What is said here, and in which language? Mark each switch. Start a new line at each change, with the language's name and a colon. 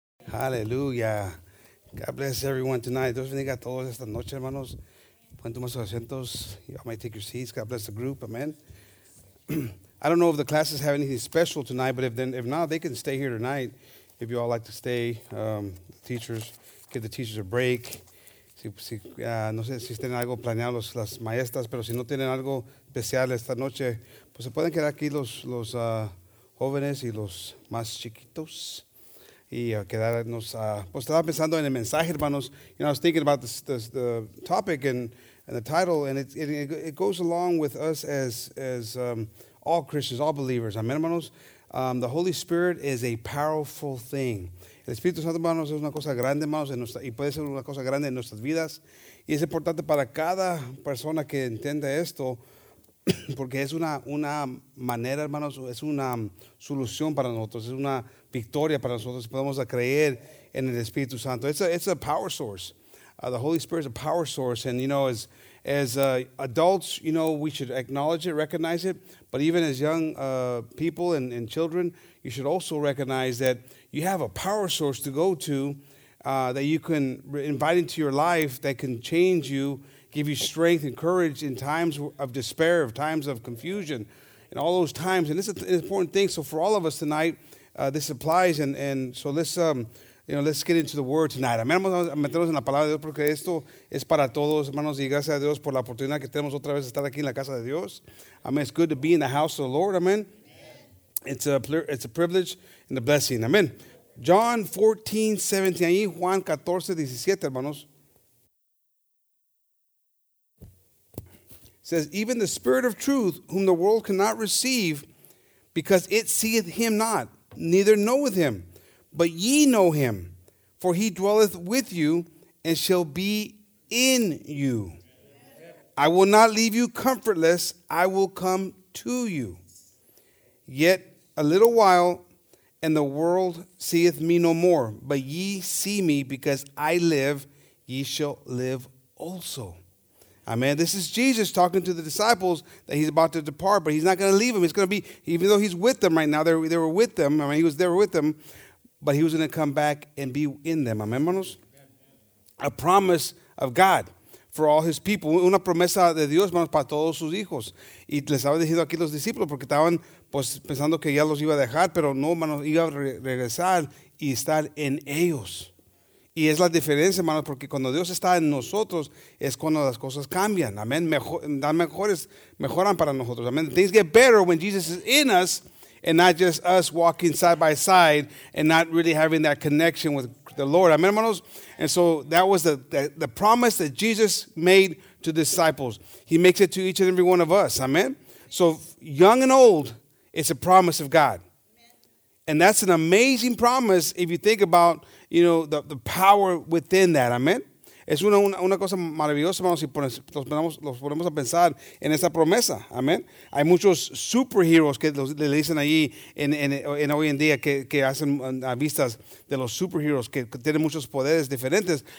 English: Hallelujah. God bless everyone tonight.
Spanish: Dios bendiga a todos esta noche, hermanos. Pueden tomar sus asientos.
English: Y'all may take your seats. God bless the group. Amen. I don't know if the classes have anything special tonight, but if not, they can stay here tonight. If you all like to stay, teachers, give the teachers a break.
Spanish: No sé si tienen algo planeado las maestras, pero si no tienen algo especial esta noche, pues se pueden quedar aquí los jóvenes y los más chiquitos y quedarnos. Pues estaba pensando en el mensaje, hermanos.
English: You know, I was thinking about the topic and the title, and it goes along with us as all Christians, all believers. Amen, hermanos. The Holy Spirit is a powerful thing.
Spanish: El Espíritu Santo, hermanos, es una cosa grande, hermanos, y puede ser una cosa grande en nuestras vidas. Y es importante para cada persona que entienda esto, porque es una manera, hermanos, es una solución para nosotros, es una victoria para nosotros. Podemos creer en el Espíritu Santo.
English: It's a power source. The Holy Spirit is a power source. And, you know, as adults, you know, we should acknowledge it, recognize it. But even as young people and children, you should also recognize that you have a power source to go to that you can invite into your life that can change you, give you strength and courage in times of despair, of times of confusion, and all those times. And this is an important thing. So for all of us tonight, this applies. And so let's get into the Word tonight.
Spanish: Amén, vamos a meternos en la Palabra de Dios porque esto es para todos, hermanos. Y gracias a Dios por la oportunidad que tenemos otra vez de estar aquí en la Casa de Dios. Amén.
English: It's good to be in the house of the Lord. Amén. It's a privilege and a blessing. Amen. John 14:17.
Spanish: Juan 14:17, hermanos.
English: Says, even the Spirit of truth, whom the world cannot receive, because it seeth him not, neither knoweth him. But ye know him, for he dwelleth with you and shall be in you. I will not leave you comfortless. I will come to you. Yet a little while, and the world seeth me no more. But ye see me, because I live, ye shall live also. Amen. This is Jesus talking to the disciples that he's about to depart, but he's not going to leave them. He's going to be, even though he's with them right now, they were with them. I mean, he was there with them, but he was going to come back and be in them. Amen, hermanos? A promise of God for all his people.
Spanish: Una promesa de Dios, hermanos, para todos sus hijos. Y les había dicho aquí los discípulos, porque estaban pues pensando que ya los iba a dejar, pero no, hermanos, iba a regresar y estar en ellos. Y es la diferencia, hermanos, porque cuando Dios está en nosotros, es cuando las cosas cambian, amén, mejoran para nosotros, amén.
English: Things get better when Jesus is in us, and not just us walking side by side, and not really having that connection with the Lord, amén, hermanos. And so that was the promise that Jesus made to the disciples. He makes it to each and every one of us, amén. So young and old, it's a promise of God. And that's an amazing promise if you think about, you know, the power within that. Amen.
Spanish: Es una cosa maravillosa, hermanos, si los ponemos a pensar en esa promesa. Amen. Hay muchos superheroes que le dicen ahí en hoy en día que hacen vistas de los superheroes que tienen muchos poderes diferentes.